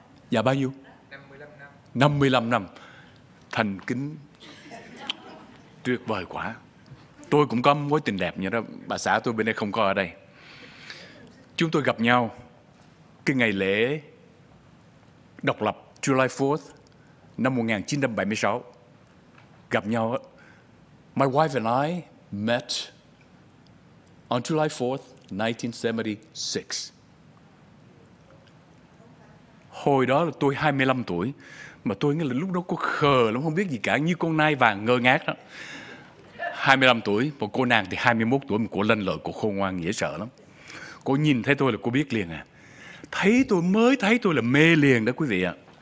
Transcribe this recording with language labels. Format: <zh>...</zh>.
<vi>Dạ bao nhiêu? 55 năm. Thành kính. Tuyệt vời quá. Tôi cũng có mối tình đẹp như đó. Bà xã tôi bên đây không có ở đây. Chúng tôi gặp nhau cái ngày lễ độc lập July 4th năm 1976. Gặp nhau.</vi> <en>My wife and I met on July 4th, 1976.</en> <vi>Hồi đó là tôi 25 tuổi. Mà tôi nghĩ là lúc đó có khờ lắm, không biết gì cả, như con nai vàng ngơ ngác đó. 25 tuổi, một cô nàng thì 21 tuổi, một cô lanh lợi, cô khôn ngoan, dễ sợ lắm. Cô nhìn thấy tôi là cô biết liền à. Thấy tôi, mới thấy tôi là mê liền đó quý vị ạ. À.</vi>